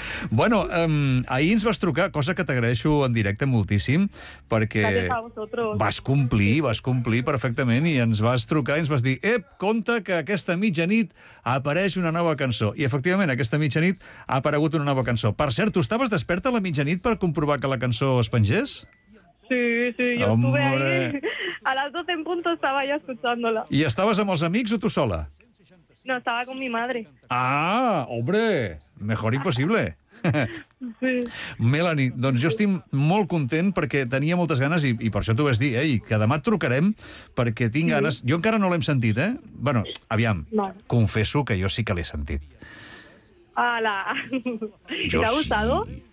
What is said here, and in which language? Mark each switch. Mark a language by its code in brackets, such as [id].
[ca] Bueno, ahir ens vas trucar, cosa que t'agraeixo en directe moltíssim, perquè vas complir perfectament i ens vas trucar i ens vas dir «Ep, compte que aquesta mitjanit apareix una nova cançó». I efectivament, aquesta mitjanit ha aparegut una nova cançó. Per cert, tu estaves desperta a la mitjanit per comprovar que la cançó es pengés? [es] Sí, jo estuve ahí. A les 12 en punto [ca] estava ja [es] escuchándola. [ca] I estaves amb els amics o tu sola? [es] No, estaba con mi madre. Ah, hombre, mejor imposible. Sí. [ca] Melanie, doncs jo estic molt content perquè tenia moltes ganes i per això t'ho vaig dir, que demà et trucarem perquè tinc ganes. Jo encara no l'hem sentit, eh? Bueno, aviam, no. Confesso que jo sí que l'he sentit. [es] Hola. ¿Te ha gustado?